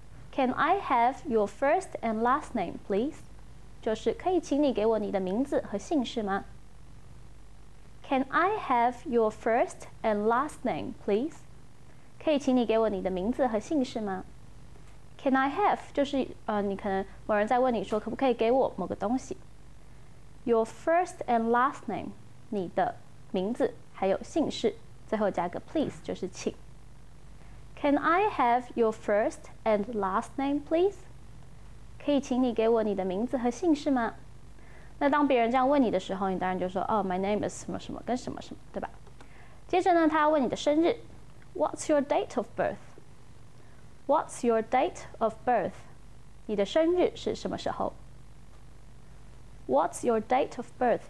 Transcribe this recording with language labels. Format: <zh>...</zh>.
<en>Can I have your first and last name, please?</en> <zh>就是可以请你给我你的名字和姓氏吗？</zh> <en>Can I have your first and last name, please?</en> <zh>可以请你给我你的名字和姓氏吗？</zh> <en>Can I have</en> <zh>就是你可能某人在问你说可不可以给我某个东西。</zh> <en>Your first and last name,</en> <zh>你的名字还有姓氏，最后加个 please 就是请。</zh> <en>Can I have your first and last name, please?</en> <zh>可以请你给我你的名字和姓氏吗？那当别人这样问你的时候，你当然就说哦、</zh> <en>my name is</en> <zh>什么什么跟什么什么，对吧？接着呢，他要问你的生日 ，</zh> <en>What's your date of birth? What's your date of birth?</en> <zh>你的生日是什么时候</zh> <en>？What's your date of birth?</en>